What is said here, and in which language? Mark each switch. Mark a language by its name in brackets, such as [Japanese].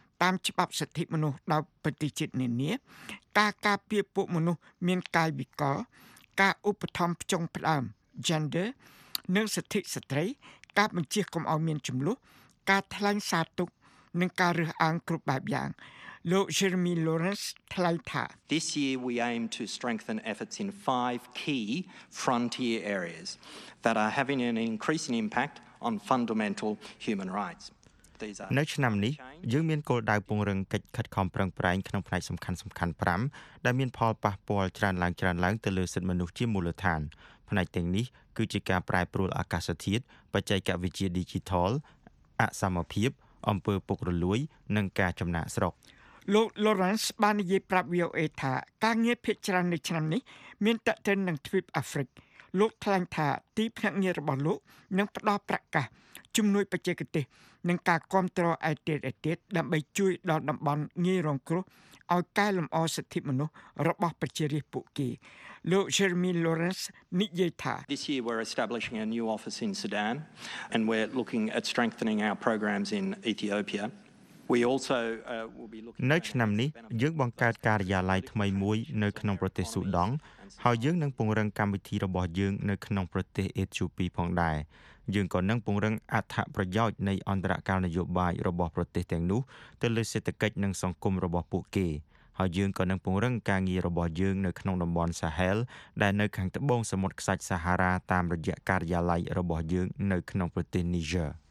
[Khmer] តាមច្បាប់សិទ្ធិមនុស្សដល់ប្រតិជាតិនានាការការពារពួកមនុស្សមានកាយវិការការឧបត្ថម្ភផ្ចង់ផ្ដើម gender និងសិទ្ធិស្ត្រីការបញ្ជាកុំឲ្យមានចំនួនការថ្លែងសារទុកនិងការរើសអើងគ្រប់បែបយ៉ាងលោក Jeremy Lawrence ថ្លែងថា [English] This year we aim to strengthen efforts in 5 key frontier areas that are having an increasing impact on fundamental human rights. [Khmer] នៅឆ្នាំនេះយើងមានគោលដៅពង្រឹងកិច្ចខិតខំប្រឹងប្រែងក្នុងផ្នែកសំខាន់ៗ5ដែលមានផលប៉ះពាល់ច្រើនឡើងទៅលើសិទ្ធិមនុស្សជាមូលដ្ឋានផ្នែកទាំងនេះគឺជាការប្រែប្រួលអាកាសធាតុបច្ចេកវិទ្យា Digital អសមភាពអំពើពុករលួយនិងការចំណាក់ស្រុក លោក Lawrence បាននិយាយប្រាប់ VOA ថាការងារភាគច្រើននៅឆ្នាំនេះមានតក្កិននឹងទ្វីបអាហ្វ្រិកលោកថ្លែងថាទីភ្នាក់ងាររបស់លោកនឹងផ្ដល់ប្រកាសជំនួយបច្ចេកទេសនឹងការគាំទ្រឯទៀតដើម្បីជួយដល់តំបន់ងាយរងគ្រោះឲ្យកែលម្អសិទ្ធិមនុស្សរបស់ប្រជារាស្ត្រពួកគេលោក Jeremy Lawrence និយាយថា [English] This year we're establishing a new office in Sudan and we're looking at strengthening our programs in Ethiopia we also will be looking [Khmer] នៅឆ្នាំនេះយើងបង្កើតការិយាល័យថ្មីមួយនៅក្នុងប្រទេសស៊ូដង់ហើយយើងនឹងពង្រឹងកម្មវិធីរបស់យើងនៅក្នុងប្រទេសអេត្យូពីផងដែរយើងក៏នឹងពង្រឹងអត្ថប្រយោជន៍នៃអន្តរការនយោបាយរបស់ប្រទេសទាំងនោះទៅលើសេដ្ឋកិច្ចនិងសង្គមរបស់ពួកគេហើយយើងក៏នឹងពង្រឹងការងាររបស់យើងនៅក្នុងតំបន់សាហែលដែលនៅខាងត្បូងសមុទ្រខ្សាច់សាហារ៉ាតាមរយៈការិយាល័យរបស់យើងនៅក្នុងប្រទេសនីជើ